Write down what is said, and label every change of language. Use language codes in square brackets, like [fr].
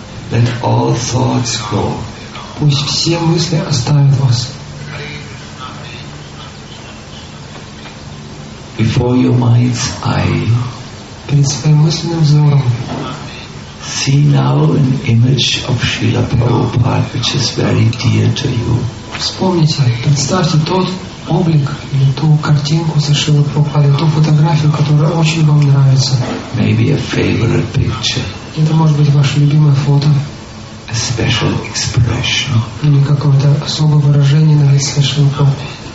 [en] Let all thoughts go. [ru] Пусть все мысли оставят вас. [en] Before your mind's eye. [ru] Перед своим мысленным взором. [en] See now an image of Srila Prabhupada, which is very dear to you. [ru] Вспомните, представьте тот облик или ту картинку со Шрилы Прабхупады, ту фотографию, которая очень вам нравится. [en] Maybe a favorite picture. [ru] Это может быть ваше любимое фото. [en] A special expression. [ru] Или какое-то особое выражение на лице Шрилы Прабхупады.